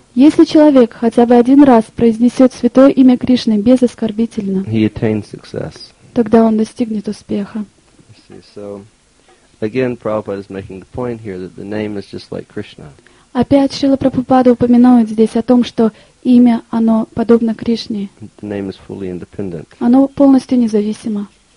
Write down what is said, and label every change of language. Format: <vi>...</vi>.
<ru>если человек хотя бы один раз произнесет святое имя Кришны безоскорбительно, тогда он достигнет успеха.</ru> <en>So, again, Prabhupada is making the point here that the name is just like Krishna.</en> <ru>Опять Шрила Прабхупада упоминает здесь о том, что имя, оно подобно Кришне.</ru> <en>The name is fully independent.</en> <ru>Оно полностью независимо.</ru>